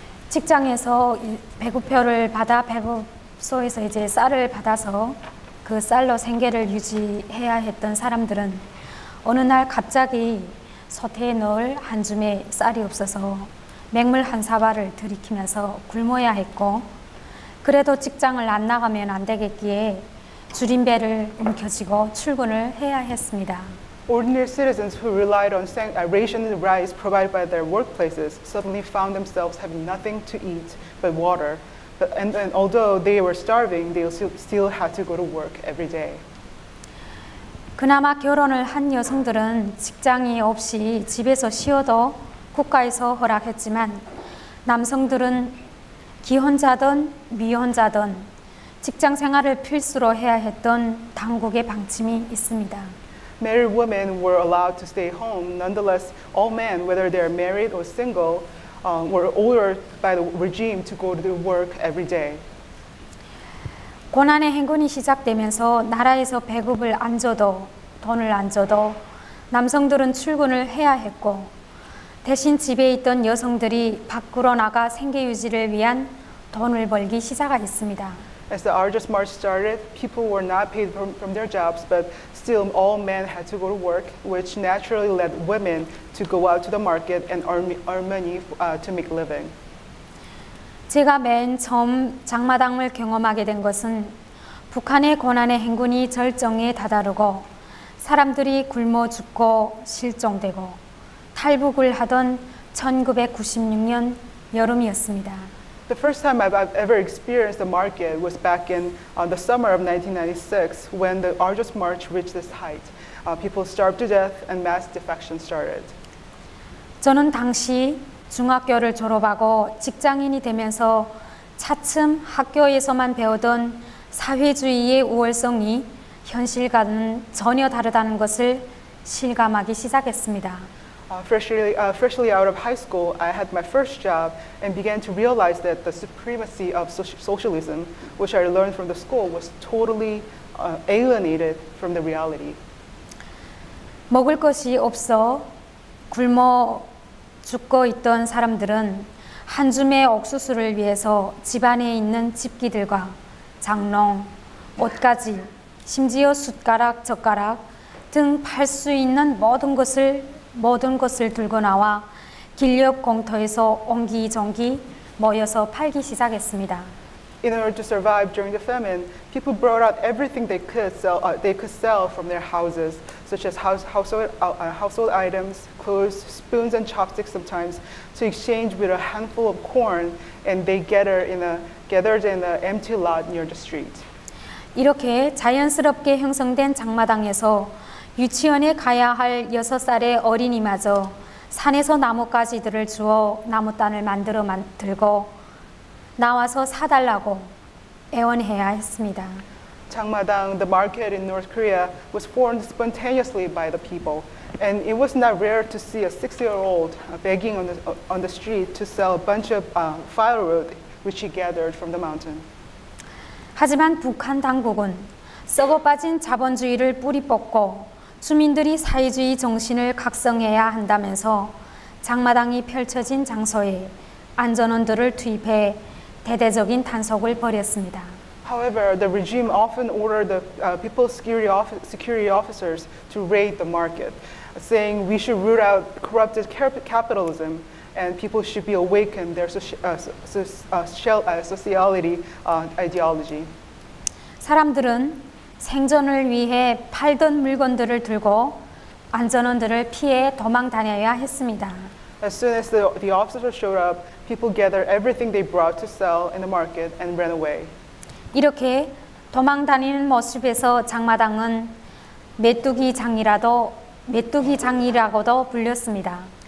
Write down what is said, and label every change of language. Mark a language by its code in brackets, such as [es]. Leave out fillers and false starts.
[ko] 직장에서 배급표를 받아 배급소에서 이제 쌀을 받아서 그 쌀로 생계를 유지해야 했던 사람들은 어느 날 갑자기 소태에 넣을 한 줌의 쌀이 없어서 맹물 한 사발을 들이키면서 굶어야 했고 그래도 직장을 안 나가면 안 되겠기에 줄임배를 움켜쥐고 출근을 해야 했습니다. [en] Ordinary citizens who relied on rationed rice provided by their workplaces suddenly found themselves having nothing to eat but water. And although they were starving, they still had to go to work every day. [ko] 그나마 결혼을 한 여성들은 직장이 없이 집에서 쉬어도 국가에서 허락했지만 남성들은 기혼자든 미혼자든 직장 생활을 필수로 해야 했던 당국의 방침이 있습니다. [en] Married women were allowed to stay home. Nonetheless, all men, whether they are married or single, were ordered by the regime to go to work every day. [ko] 고난의 행군이 시작되면서 나라에서 배급을 안 줘도 돈을 안 줘도 남성들은 출근을 해야 했고 대신 집에 있던 여성들이 밖으로 나가 생계 유지를 위한 돈을 벌기 시작했습니다. [en] As the arduous march started, people were not paid from their jobs, but still all men had to go to work, which naturally led women to go out to the market and earn money to make a living. [ko] 제가 맨 처음 장마당을 경험하게 된 것은 북한의 고난의 행군이 절정에 다다르고 사람들이 굶어 죽고 실종되고 탈북을 하던 1996년 여름이었습니다. [en] The first time I've ever experienced the market was back in the summer of 1996 when the arduous march reached this height. People starved to death and mass defection started. [ko] 저는 당시 중학교를 졸업하고 직장인이 되면서 차츰 학교에서만 배우던 사회주의의 우월성이 현실과는 전혀 다르다는 것을 실감하기 시작했습니다. [en] Freshly out of high school, I had my first job and began to realize that the supremacy of socialism, which I learned from the school, was totally alienated from the reality. [ko] 먹을 것이 없어 굶어 죽고 있던 사람들은 한 줌의 옥수수를 위해서 집안에 있는 집기들과 장롱, 옷가지, 심지어 숟가락, 젓가락 등 팔 수 있는 모든 것을 들고 나와 길옆 공터에서 옹기종기 모여서 팔기 시작했습니다. [en] In order to survive during the famine, people brought out everything they could sell from their houses, such as household items, clothes, spoons and chopsticks sometimes, to exchange with a handful of corn, and they gathered in the empty lot near the street. [ko] 이렇게 자연스럽게 형성된 장마당에서 유치원에 가야 할 6살의 어린이마저 산에서 나뭇가지들을 주워 나뭇단을 만들어 들고 나와서 사달라고 애원해야 했습니다. [en] Changmadang, the market in North Korea, was formed spontaneously by the people. And it was not rare to see a six-year-old begging on the street to sell a bunch of firewood which he gathered from the mountain. [ko] 하지만 북한 당국은 썩어빠진 자본주의를 뿌리 뽑고 주민들이 사회주의 정신을 각성해야 한다면서 장마당이 펼쳐진 장소에 안전원들을 투입해 대대적인 단속을 벌였습니다. [en] However, the regime often ordered the people's security officers to raid the market, saying we should root out corrupted capitalism and people should be awakened their sociality ideology. [ko] 사람들은 생존을 위해 팔던 물건들을 들고 안전원들을 피해 도망 다녀야 했습니다. [en] As soon as the officers showed up, people gathered everything they brought to sell in the market and ran away. [ko] 이렇게 도망 다니는 모습에서 장마당은 메뚜기 장이라고도 불렸습니다.